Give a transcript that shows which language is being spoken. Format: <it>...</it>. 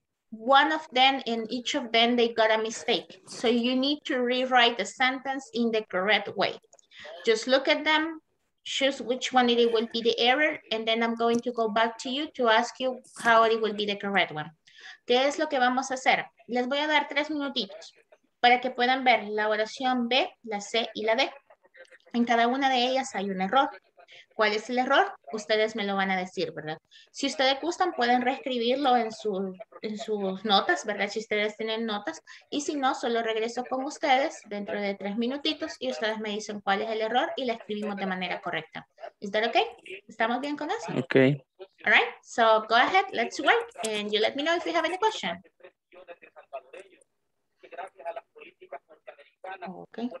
<en>one of them in each of them, they got a mistake. So you need to rewrite the sentence in the correct way. Just look at them, choose which one it will be the error, and then I'm going to go back to you to ask you how it will be the correct one.</en> <es>¿Qué es lo que vamos a hacer? Les voy a dar 3 minutitos para que puedan ver la oración B, la C y la D. En cada una de ellas hay un error. ¿Cuál es el error? Ustedes me lo van a decir, ¿verdad? Si ustedes gustan, pueden reescribirlo en sus notas, ¿verdad? Si ustedes tienen notas. Y si no, solo regreso con ustedes dentro de 3 minutitos y ustedes me dicen cuál es el error y la escribimos de manera correcta. ¿Está ok? ¿Estamos bien con eso? Ok.</es> <en>All right. So, go ahead. Let's work. And you let me know if you have any question. Ok.</en>